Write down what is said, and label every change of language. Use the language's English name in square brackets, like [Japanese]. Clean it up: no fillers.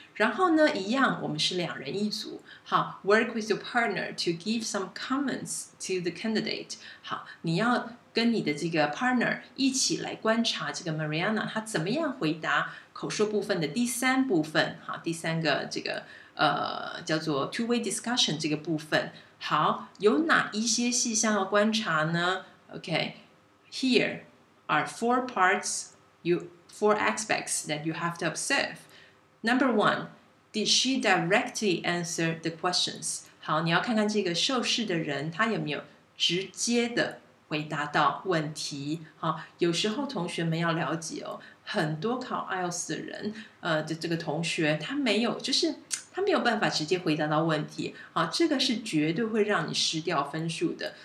[Chinese] 然后呢，一样，我们是两人一组。 [English] 好 ，work with your partner to give some comments to the candidate。 [Chinese] 好，你要跟你的这个 partner 一起来观察这个 Mariana 她怎么样回答口说部分的第三部分。好，第三个这个叫做 two-way discussion 这个部分。 [English] 好， [Chinese] 有哪一些细项要观察呢 [English] ？OK， here are four parts, four aspects that you have to observe. Number one, did she directly answer the questions? [Chinese] 好，你要看看这个受试的人，他有没有直接的回答到问题。好，有时候同学们要了解哦，很多考 IELTS 的人，这个同学他没有，就是他没有办法直接回答到问题。好，这个是绝对会让你失掉分数的。